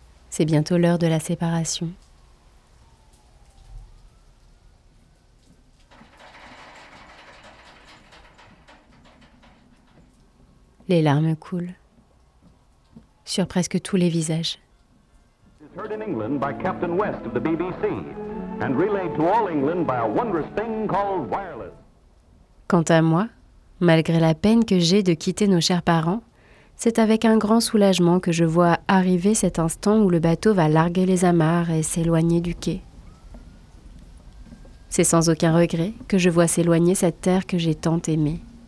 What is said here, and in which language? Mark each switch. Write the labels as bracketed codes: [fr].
[fr] C'est bientôt l'heure de la séparation. Les larmes coulent sur presque tous les visages. [en] It's heard in England by Captain West of the BBC and relayed to all England by a wondrous thing called wireless. [fr] Quant à moi, malgré la peine que j'ai de quitter nos chers parents, c'est avec un grand soulagement que je vois arriver cet instant où le bateau va larguer les amarres et s'éloigner du quai. C'est sans aucun regret que je vois s'éloigner cette terre que j'ai tant aimée.